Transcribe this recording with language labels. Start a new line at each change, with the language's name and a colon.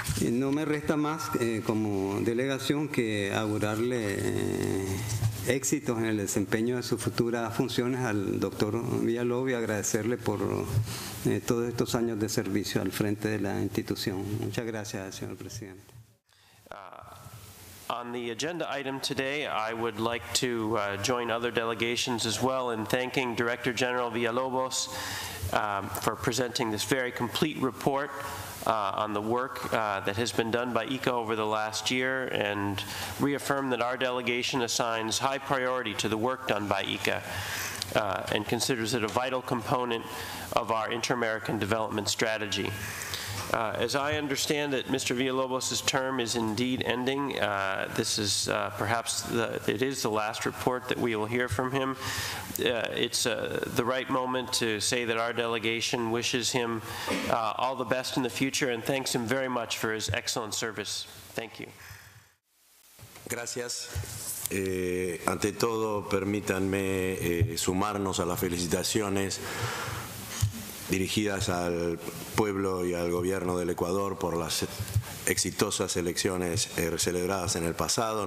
Spanish: No me resta más como delegación que augurarle éxitos en el desempeño de sus futuras funciones al doctor Villalobos y agradecerle por todos estos años de servicio al frente de la institución. Muchas gracias, señor presidente.
English: On the agenda item today, I would like to join other delegations as well in thanking Director General Villalobos for presenting this very complete report on the work that has been done by ICA over the last year, and reaffirm that our delegation assigns high priority to the work done by ICA and considers it a vital component of our Inter-American development strategy. As I understand it, Mr. Villalobos' term is indeed ending. This is perhaps it is the last report that we will hear from him. It's the right moment to say that our delegation wishes him all the best in the future and thanks him very much for his excellent service. Thank you.
Spanish: Gracias. Ante todo, permítanme sumarnos a las felicitaciones dirigidas al pueblo y al gobierno del Ecuador por las exitosas elecciones celebradas en el pasado.